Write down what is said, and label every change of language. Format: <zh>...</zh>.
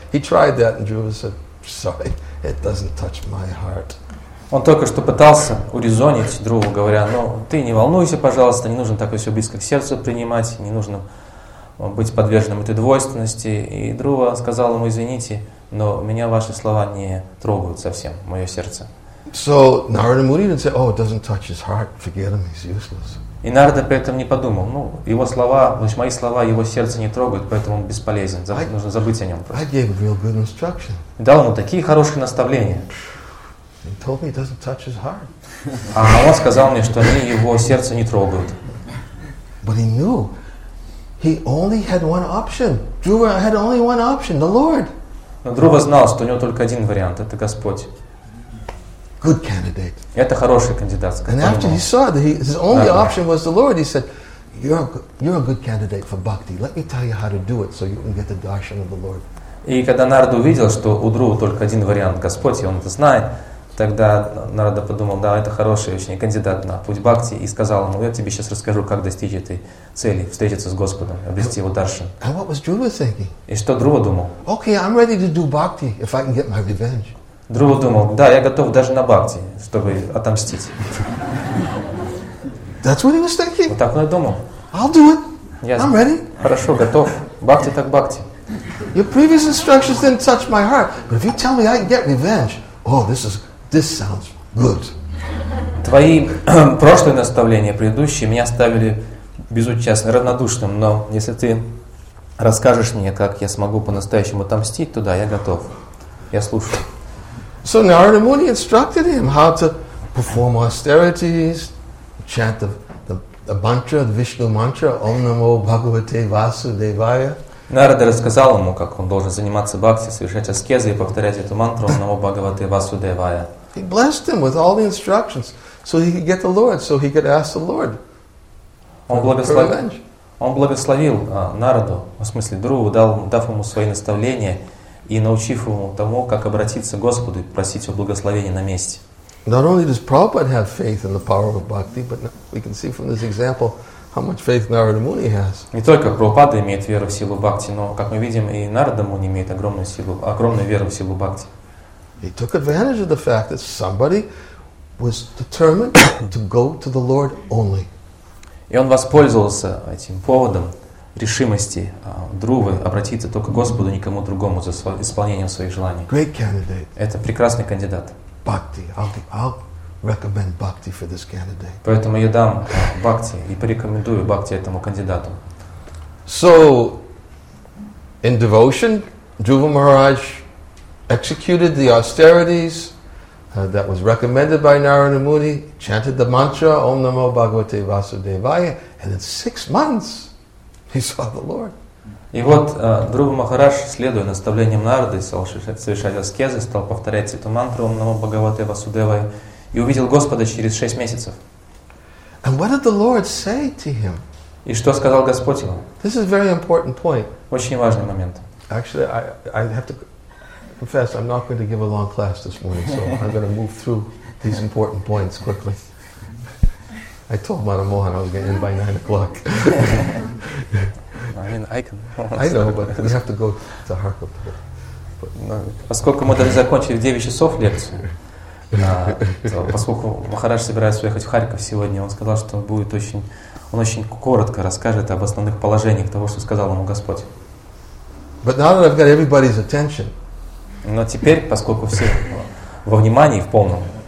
<en>He tried that, and Dhruva said, sorry, it doesn't touch my heart.</en> <ru>Он только что пытался урезонить другу, говоря, ну, ты не волнуйся, пожалуйста, не нужно так все близко к сердцу принимать, не нужно быть подверженным этой двойственности. И Друва сказал ему, извините, но меня ваши слова не трогают совсем, мое сердце.</ru> <en>So, Narada Muni didn't say, oh, it doesn't touch his heart, forget him, he's useless.</en> <ru>И Нарада при этом не подумал, ну, его слова, значит, мои слова его сердце не трогают, поэтому он бесполезен, нужно забыть о нем просто.</ru> <en>I gave him real good instruction.</en> <ru>Дал ему такие хорошие наставления.</ru> <en>He told me it doesn't touch his heart.</en> <ru>А он сказал мне, что они его сердце не трогают.</ru> <en>But he knew he only had one option. Druva had only one option, the Lord.</en> <ru>Но Друва знал, что у него только один вариант, это Господь.</ru> <en>Good candidate.</en> <ru>Это хороший кандидат.</ru> <en>And after he saw that his only option was the Lord, he said, you're a good candidate for bhakti. Let me tell you how to do it so you can get the darshan of the Lord.</en> <ru>И когда Нарада увидел, что у Друва только один вариант Господь, и он это знает, тогда Нарада подумал, да, это хороший очень кандидат на путь бхакти, и сказал ему, я тебе сейчас расскажу, как достичь этой цели, встретиться с Господом, обрести его даршан.</ru> <en>And what was Dhruva thinking?</en> <ru>И что Друва думал?</ru> <en>Okay, I'm ready to do bhakti if I can get my revenge.</en> <ru>Друва думал, да, я готов даже на бхакти, чтобы отомстить.</ru> <en>That's what he was thinking.</en> <ru>Вот так он и думал.</ru> <en>I'll do it. I'm ready.</en> <ru>Хорошо, готов. Бхакти так бхакти.</ru> <en>Your previous instructions didn't touch my heart, but if you tell me I can get revenge, oh, this sounds good.</en> <ru>Твои прошлые наставления, предыдущие, меня оставили безучастным, равнодушным, но если ты расскажешь мне, как я смогу по-настоящему отомстить, то да, я готов. Я слушаю.</ru> <en>So Narada Muni instructed him how to perform austerities, chant the mantra, the Vishnu mantra, Om Namo Bhagavate Vasudevaya.</en> <ru>Нарада рассказал ему, как он должен заниматься бхакти, совершать аскезы и повторять эту мантру Om Namo Bhagavate Vasudevaya.</ru> <en>He blessed him with all the instructions so he could get the Lord, so he could ask the Lord for revenge.</en> <ru>Он благословил Нараду, в смысле Друву, дав ему свои наставления и научив ему тому, как обратиться к Господу и просить его благословения на месте.</ru> <en>Not only does Prabhupada have faith in the power of bhakti, but we can see from this example how much faith Narada Muni has.</en> <ru>Не только Прабхупада имеет веру в силу бхакти, но, как мы видим, и Нарада Муни имеет огромную веру в силу бхакти.</ru> <en>He took advantage of the fact that somebody was determined to go to the Lord only.</en> <ru>И он воспользовался этим поводом решимости Друвы обратиться только к Господу, никому другому за исполнением своих желаний.</ru> <en>Great candidate.</en> <ru>Это прекрасный кандидат.</ru> <en>Bhakti. I'll recommend bhakti for this candidate.</en> <ru>Поэтому я дам бхакти и порекомендую бхакти этому кандидату.</ru> <en>So, in devotion, Dhruva Maharaj executed the austerities that was recommended by Narada Muni, chanted the mantra Om Namo Bhagavate Vasudevaya, and in 6 months he saw the Lord.</en> <ru>И вот Дхрува Махарадж, следуя наставлениям Нарады, совершая аскезы, стал повторять эту мантру Om Namo Bhagavate Vasudevaya и увидел Господа через 6 месяцев.</ru> <en>And what did the Lord say to him?</en> <ru>И что сказал Господь ему?</ru> <en>This is a very important point.</en> <ru>Очень важный момент.</ru> <en>Actually, I have to confess, I'm not going to give a long class this morning, so I'm going to move through these important points quickly. I told Madam Mohan I was going to end by 9 o'clock. I mean, I can. I know, but we have to go to Harkov.</en> <ru>Поскольку мы должны закончить в 9 часов лекцию, поскольку Махарадж собирается уехать в Харьков сегодня, он сказал, что он очень коротко расскажет об основных положениях того, что сказал ему Господь.</ru> <en>But now that I've got everybody's attention.</en> <ru>Но теперь, поскольку все во внимании, в полном.</ru>